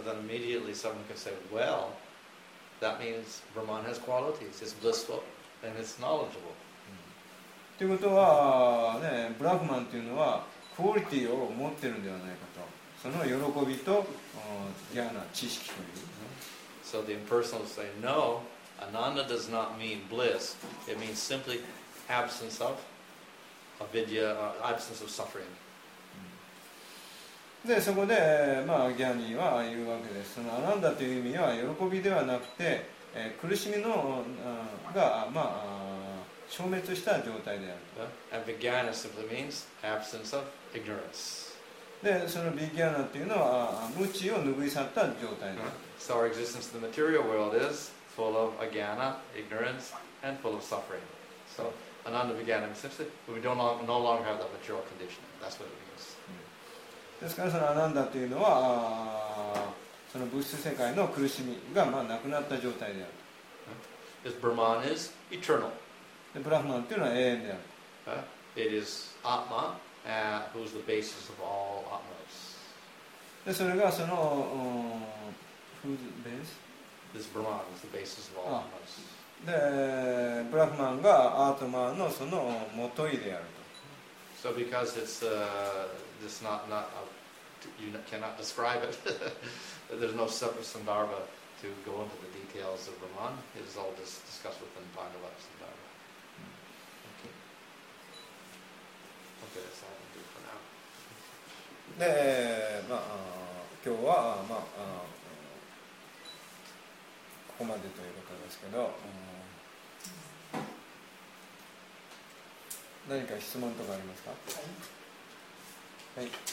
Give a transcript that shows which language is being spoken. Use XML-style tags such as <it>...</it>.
<en>then immediately someone can say, well, that means Brahman has qualities. It's blissful and it's knowledgeable.</en> <ja>ということは、ね、ブラフマンというのはクオリティを持っているのではないかと。その喜びと、ギャーナ、知識という。</ja> <en>So the impersonal say, no, Ananda does not mean bliss. It means simply absence of avidya, absence of suffering.</en> <ja>で、そこで、ギャニーは言うわけです。そのアランダという意味は喜びではなくて、苦しみのが、消滅した状態であると。</ja> <en>And vijnana simply means absence of ignorance.</en> <ja>で、そのビギャナっていうのは無知を拭い去った状態である。</ja> <en>So our existence in the material world is full of ajnana, ignorance, and full of suffering. So ananda vijnana means we don't no longer have that material condition. That's what it means.</en> <ja>ですからそのアナンダっていうのはその物質世界の苦しみがまあなくなった状態である。</ja> <en>This Brahman is eternal.</en> <ja>で、ブラフマンっていうのは永遠である。</ja> <en>It is Atma, who is the basis of all Atmas.</en> <ja>で、それがその、</ja> <en>who's the base? This Brahman is the basis of all Atmas.</en> <ja>で、ブラフマンがアートマンのその元いであると。</ja> <en>So because it's this not a, you cannot describe it. There's no separate sandarbha to go into the details of Brahman. It is all just discussed within Bhagavad sandarbha. Okay, that's all I can do for now.</en> <ja>で、まあ今日はまあここまでということですけど、何か質問とかありますか。はい。はい。</ja>